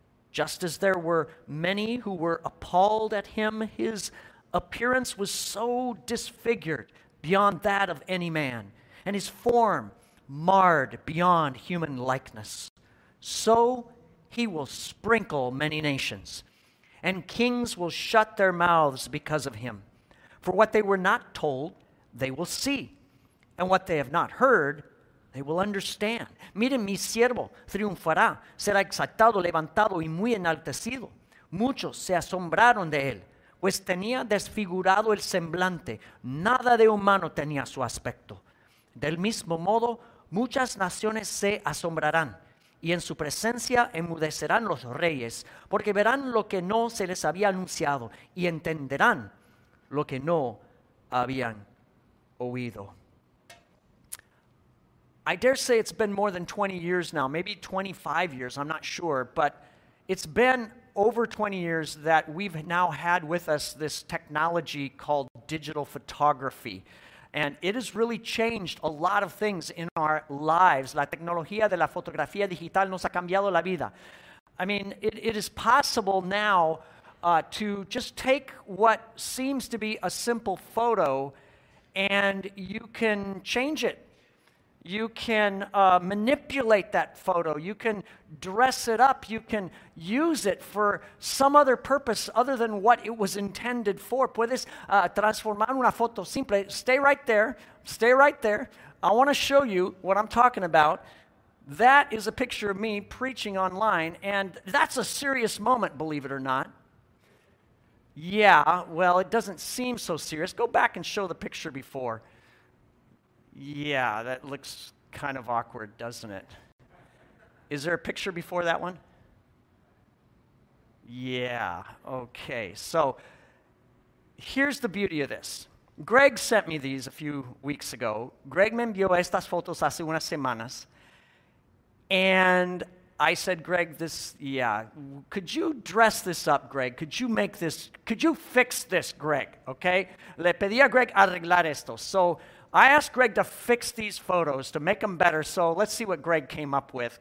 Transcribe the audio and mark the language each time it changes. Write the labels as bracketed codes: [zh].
[en] Just as there were many who were appalled at him, his appearance was so disfigured beyond that of any man, and his form marred beyond human likeness. So he will sprinkle many nations, and kings will shut their mouths because of him. For what they were not told, they will see, and what they have not heard, they will understand. [es] Miren, mi siervo triunfará, será exaltado, levantado y muy enaltecido. Muchos se asombraron de él. Pues tenía desfigurado el semblante, nada de humano tenía su aspecto. Del mismo modo, muchas naciones se asombrarán, y en su presencia enmudecerán los reyes, porque verán lo que no se les había anunciado, y entenderán lo que no habían oído. [en] I dare say it's been more than 20 years now, maybe 25 years, I'm not sure, but it's been over 20 years that we've now had with us this technology called digital photography. And it has really changed a lot of things in our lives. [es] La tecnología de la fotografía digital nos ha cambiado la vida. [en] I mean, it is possible now to just take what seems to be a simple photo and you can change it. You can manipulate that photo. You can dress it up. You can use it for some other purpose other than what it was intended for. [es] Puedes transformar una foto simple. [en] Stay right there. Stay right there. I want to show you what I'm talking about. That is a picture of me preaching online, and that's a serious moment, believe it or not. Yeah, well, it doesn't seem so serious. Go back and show the picture before. Yeah, that looks kind of awkward, doesn't it? Is there a picture before that one? Yeah, okay. So here's the beauty of this. Greg sent me these a few weeks ago. [es] Greg me envió estas fotos hace unas semanas. [en] And I said, Greg, could you dress this up, Greg? Could you fix this, Greg? Okay? [es] Le pedí a Greg arreglar esto. [en] So I asked Greg to fix these photos, to make them better. So let's see what Greg came up with.